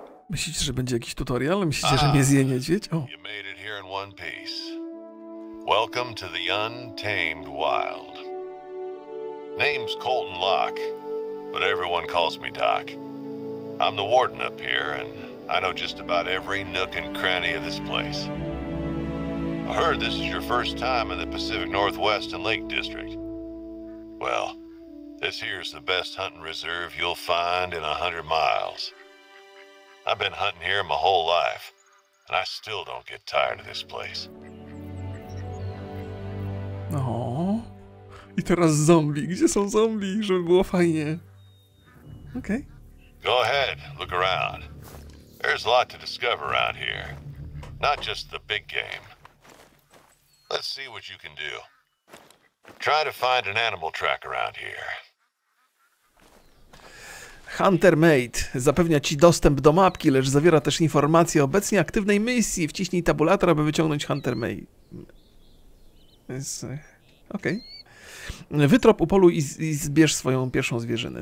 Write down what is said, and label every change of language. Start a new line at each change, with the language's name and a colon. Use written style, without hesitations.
Polish: Myślicie, że będzie jakiś tutorial? Myślicie, że mnie zje niedźwiedź? O.
English: You made it here in one piece. Welcome to the untamed wild. Name's Colton Locke, but everyone calls me Doc. I'm the warden up here, and I know just about every nook and cranny of this place. I heard this is your first time in the Pacific Northwest and Lake District. Well, this here's the best hunting reserve you'll find in 100 miles. I've been hunting here my whole life, and I still don't get tired of this place.
Polish: No. I teraz zombie. Gdzie są zombie? Żeby było fajnie. Okej.
English: Go ahead, look around. There's a lot to discover around here. Not just the big game. Let's see what you can do. Try to find an animal track around here.
Polish: Hunter Mate zapewnia ci dostęp do mapki, lecz zawiera też informacje o obecnie aktywnej misji. Wciśnij tabulator, aby wyciągnąć Hunter Mate. Okej. Wytrop, upoluj i zbierz swoją pierwszą zwierzynę.